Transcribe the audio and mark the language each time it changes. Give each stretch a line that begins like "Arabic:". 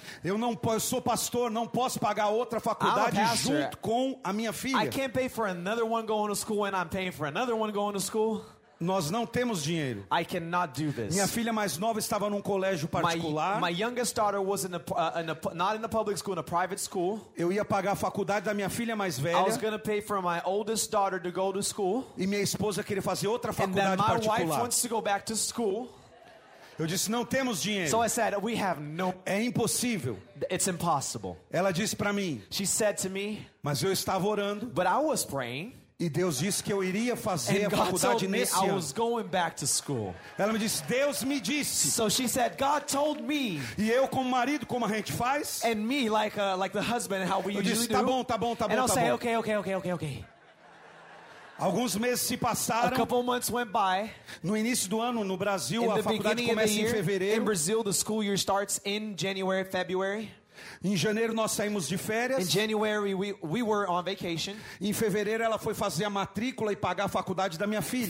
Portuguese: Eu não posso, sou pastor, não posso pagar outra faculdade junto com a minha filha.
English: I can't pay for another one going to school and I'm paying for another one going to school.
Portuguese: Nós não temos dinheiro.
English: I cannot do this.
Portuguese: Minha filha mais nova estava num colégio particular.
English: My youngest daughter was not in a public school, in a private school.
Portuguese: Eu ia pagar a faculdade da minha filha mais velha.
English: I was going to pay for my oldest daughter to go to school.
Portuguese: E minha esposa queria fazer outra faculdade particular.
English: And then my wife wants to go back to school.
Portuguese: Eu disse, não temos dinheiro.
English: So I said, we have no...
Portuguese: É impossível.
English: It's impossible.
Portuguese: Ela disse para mim.
English: She said to me.
Portuguese: Mas eu estava orando.
English: But I was praying.
Portuguese: E Deus disse que eu iria fazer a faculdade nesse ano.
English: I was going back to school.
Portuguese: Ela me disse, Deus me disse.
English: So she said, God told me.
Portuguese: E eu como marido, como a gente faz.
English: And me, like the husband, how we usually do.
Portuguese: Eu disse, tá bom.
English: And I'll say, okay.
Portuguese: Alguns meses se passaram.
English: A couple months went by.
Portuguese: No início do ano, no Brasil, a faculdade começa em fevereiro.
English: In Brazil, the school year starts in January, February.
Portuguese: Em janeiro nós saímos de férias.
English: In January we were on vacation.
Portuguese: Em fevereiro ela foi fazer a matrícula e pagar a faculdade da minha filha.